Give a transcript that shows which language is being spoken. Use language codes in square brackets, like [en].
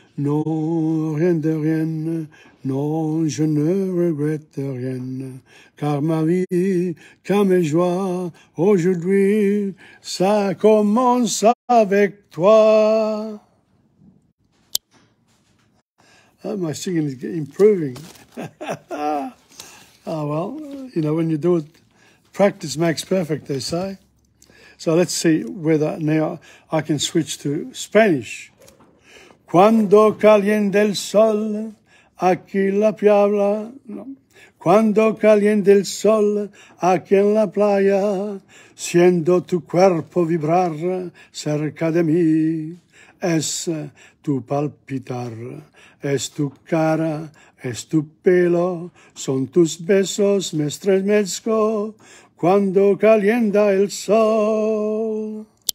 [fr] Non, rien de rien. Non, je ne regrette rien, car ma vie, car mes joies, aujourd'hui, ça commence avec toi. [en] Oh, my singing is improving. Oh, well, you know, when you do it, practice makes perfect, they say. So let's see whether now I can switch to Spanish. [es] Cuando caliente el sol, aquí la piabla, no. Cuando caliente el sol, aquí en la playa, siento tu cuerpo vibrar cerca de mí, es tu palpitar, es tu cara, es tu pelo, son tus besos, me estremezco, cuando calienta el sol.